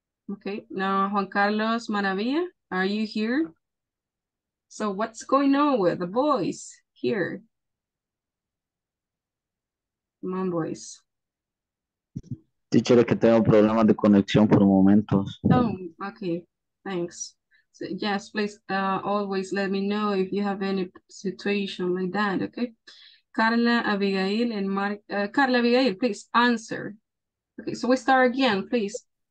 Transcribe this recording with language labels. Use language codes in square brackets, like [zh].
[en] Okay, now Juan Carlos Maravilla, are you here? So what's going on with the boys here? Come on, boys. [es] Teacher, que tengo problemas de conexión por momentos. [en] Oh, okay, thanks. So, yes, please always let me know if you have any situation like that, okay? Carla Abigail and Mark. Carla Abigail, please answer. Okay, so we start again, please.